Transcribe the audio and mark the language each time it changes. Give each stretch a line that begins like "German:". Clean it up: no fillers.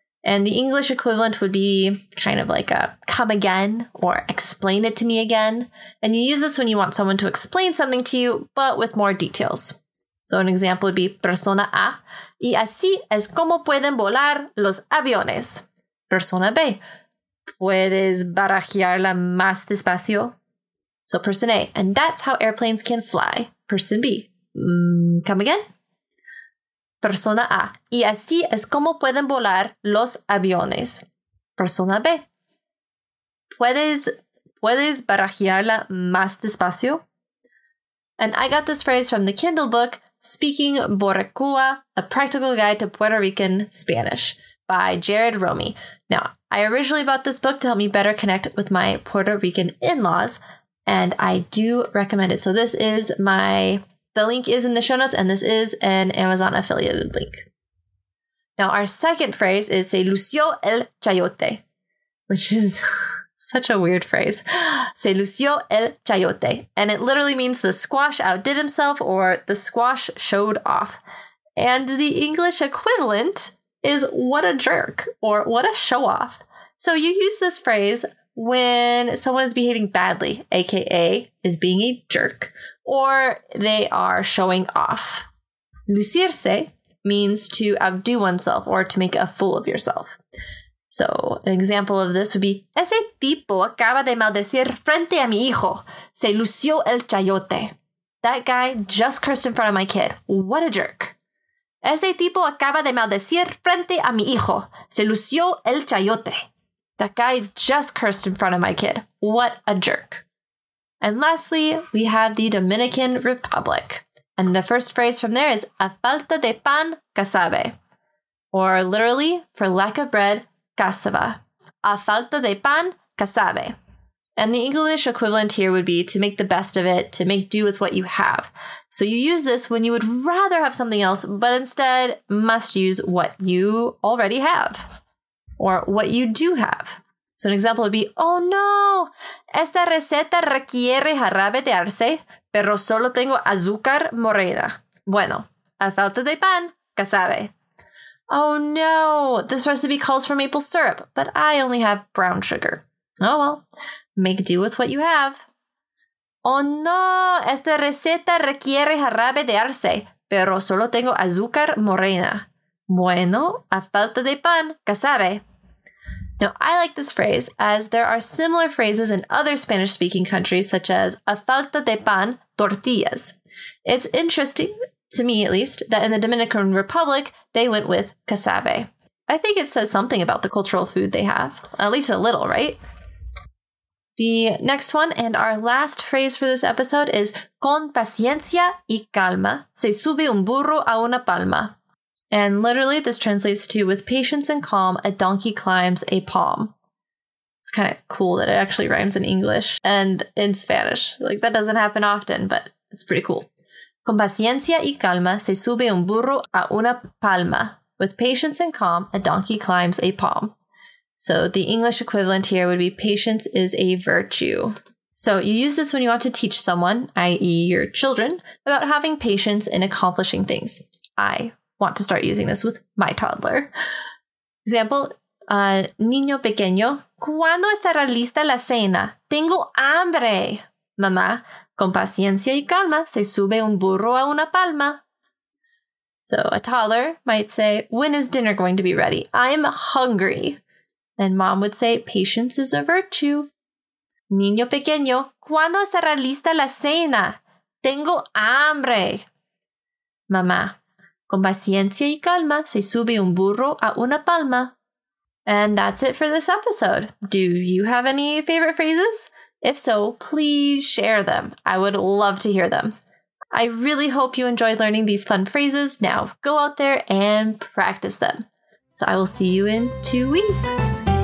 English: And the English equivalent would be kind of like a come again or explain it to me again. And you use this when you want someone to explain something to you, but with more details. So an example would be persona A,
Spanish: y así es como pueden volar los aviones. Persona B, puedes barajarla más despacio.
English: So person A, and that's how airplanes can fly. Person B, come again.
Spanish: Persona A, y así es como pueden volar los aviones. Persona B, ¿puedes barajarla más despacio?
English: And I got this phrase from the Kindle book, Speaking Boricua, A Practical Guide to Puerto Rican Spanish, by Jared Romy. Now, I originally bought this book to help me better connect with my Puerto Rican in-laws, and I do recommend it. So this is my... The link is in the show notes, and this is an Amazon affiliated link. Now, our second phrase is
Spanish: Se lució el chayote,
English: which is such a weird phrase.
Spanish: Se lució el chayote.
English: And it literally means the squash outdid himself or the squash showed off. And the English equivalent is what a jerk or what a show off. So you use this phrase when someone is behaving badly, aka is being a jerk, or they are showing off. Lucirse means to outdo oneself or to make a fool of yourself. So an example of this would be,
Spanish: ese tipo acaba de maldecir frente a mi hijo. Se lució el chayote.
English: That guy just cursed in front of my kid. What a jerk.
Spanish: Ese tipo acaba de maldecir frente a mi hijo. Se lució el chayote.
English: That guy just cursed in front of my kid. What a jerk. And lastly, we have the Dominican Republic. And the first phrase from there is,
Spanish: a falta de pan, casabe.
English: Or literally, for lack of bread, casaba.
Spanish: A falta de pan, casabe.
English: And the English equivalent here would be to make the best of it, to make do with what you have. So you use this when you would rather have something else, but instead must use what you already have. Or what you do have. So an example would be, oh no,
Spanish: esta receta requiere jarabe de arce, pero solo tengo azúcar morena. Bueno, a falta de pan, casabe.
English: Oh no, this recipe calls for maple syrup, but I only have brown sugar. Oh well, make do with what you have.
Spanish: Oh no, esta receta requiere jarabe de arce, pero solo tengo azúcar morena. Bueno, a falta de pan, casabe.
English: Now, I like this phrase as there are similar phrases in other Spanish-speaking countries, such as
Spanish: a falta de pan, tortillas.
English: It's interesting, to me at least, that in the Dominican Republic, they went with casabe. I think it says something about the cultural food they have, at least a little, right? The next one and our last phrase for this episode is
Spanish: con paciencia y calma, se sube un burro a una palma.
English: And literally, this translates to, with patience and calm, a donkey climbs a palm. It's kind of cool that it actually rhymes in English and in Spanish. Like, that doesn't happen often, but it's pretty cool.
Spanish: Con paciencia y calma, se sube un burro a una palma.
English: With patience and calm, a donkey climbs a palm. So the English equivalent here would be, patience is a virtue. So you use this when you want to teach someone, i.e. your children, about having patience in accomplishing things. I want to start using this with my toddler. Example,
Spanish: niño pequeño, ¿cuándo estará lista la cena? Tengo hambre. Mamá, con paciencia y calma, se sube un burro a una palma.
English: So a toddler might say, when is dinner going to be ready? I'm hungry. And mom would say, patience is a virtue.
Spanish: Niño pequeño, ¿cuándo estará lista la cena? Tengo hambre. Mamá, con paciencia y calma, se sube un burro a una palma.
English: And that's it for this episode. Do you have any favorite phrases? If so, please share them. I would love to hear them. I really hope you enjoyed learning these fun phrases. Now, go out there and practice them. So I will see you in 2 weeks.